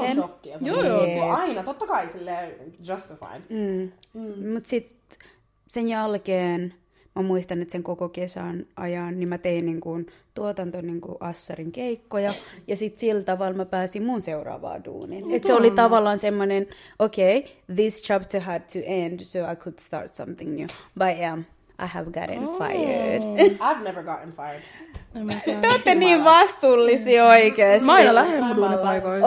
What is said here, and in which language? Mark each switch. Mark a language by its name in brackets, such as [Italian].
[Finnish] Se on shokkia. Joo, aina. Totta kai silleen justified. Mut sit sen jälkeen, mä muistan, että sen koko kesän ajan, niin mä tein niin kun tuotanto niin kun Assarin keikkoja, ja sit sillä tavalla mä pääsin mun seuraavaan duuniin. No, se oli tavallaan semmonen, [English] okay, this chapter had to end, so I could start something new. But yeah. I have gotten fired. I've never gotten fired. [Finnish] Te olette niin vastuullisia oikeesti. Mä aina lähden mun paikoissa.